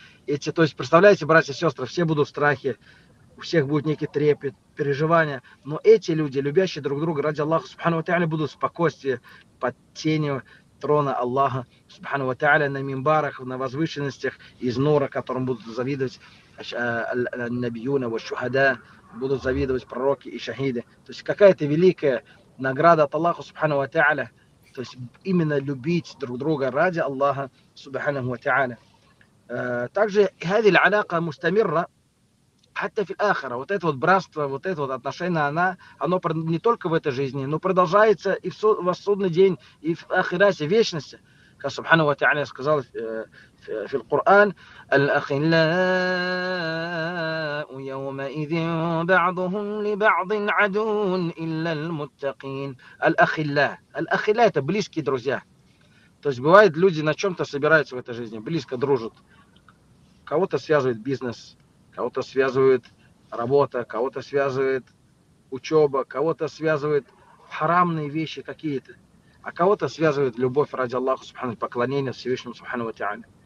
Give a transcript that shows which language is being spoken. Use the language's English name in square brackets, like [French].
[Russian] Эти, то есть, представляете, братья и сестры, все будут в страхе, у всех будет некий трепет, переживания, но эти люди, любящие друг друга ради Аллаха субхана ва тааля, будут в спокойствии под тенью трона Аллаха субхана ва тааля, на мимбарах, на возвышенностях из нура, которым будут завидовать [Arabic] набиюна ва шухада, [Russian] будут завидовать пророки и шахиды. То есть какая-то великая награда от Аллаха субхана ва тааля, то есть именно любить друг друга ради Аллаха субхана ва тааля. [Arabic] Также هذه العلاقه مستمره حتى في الاخره. [Russian] Вот это вот братство, вот это вот отношение, оно не только в этой жизни, но продолжается и в судный день, и в ахирате, вечности. Как субхана ва тааля сказал [Arabic] في القران: الاخلاء يومئذ بعضهم لبعض عدو الا المتقين. [Russian] الاخلاء это близкие друзья. То есть бывает, люди на чем-то собираются в этой жизни, близко дружат. Кого-то связывает бизнес, кого-то связывает работа, кого-то связывает учеба, кого-то связывает харамные вещи какие-то, а кого-то связывает любовь ради Аллаха, поклонение Всевышнему, субхану ва тааля.